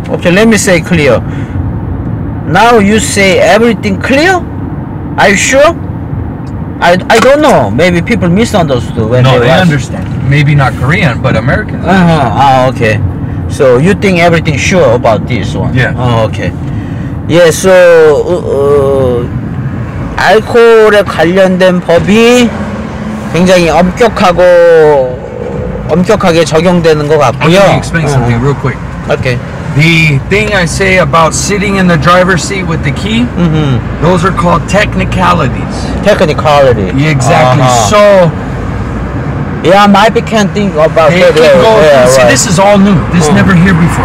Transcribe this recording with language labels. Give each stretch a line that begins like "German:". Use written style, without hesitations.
English: Okay, let me say clear. Now you say everything clear. Are you sure? I don't know. Maybe people misunderstood when they No, they understand. Maybe not Korean, but American. Uh-huh. Okay. So you think everything sure about this one? Yeah. Oh, okay. Yeah, so,
Korean: 알코올에 관련된 법이 굉장히 엄격하게 적용되는 것 같고요.
English: Let me explain something real quick. Okay. The thing I say about sitting in the driver's seat with the key, mm-hmm. those are called technicalities. Technicality. Yeah, exactly. Uh-huh. So, yeah, maybe can't think about it. Yeah, see, right. This is all new. This never here before.